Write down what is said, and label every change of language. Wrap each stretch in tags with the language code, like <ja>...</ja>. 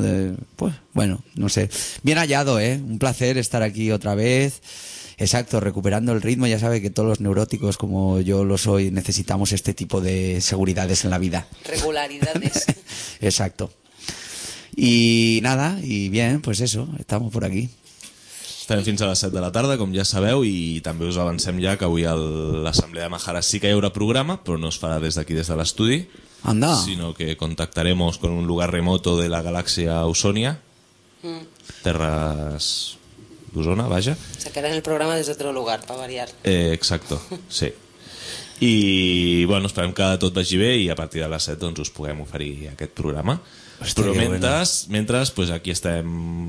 <es>De, pues, bueno, no sé. Bien hallado, ¿eh? Un placer estar aquí otra vez. Exacto, recuperando el ritmo, ya sabe que todos los neuróticos, como yo lo soy, necesitamos este tipo de seguridades en la vida. Regularidades. Exacto. Y nada, y bien, pues eso, estamos por aquí.</es> <ca>Estem fins a les 7 de la tarda, com ja sabeu, i també us avancem ja que avui a l'Assemblea de Mahara sí que hi haurà programa, però no es farà des d'aquí, des de l'estudi. Anda.</ca> <es>Sinó que contactaremos con un lugar remoto de la galàxia Ausonia, terres...</es> <ca>d'Osona, vaja. Sacaran el programa des d'altre lloc, per variar. Exacto, sí. I, bueno, esperem que tot vagi bé i a partir de les 7 doncs, us puguem oferir aquest programa. Hosti, però mentre, pues aquí estem...</ca>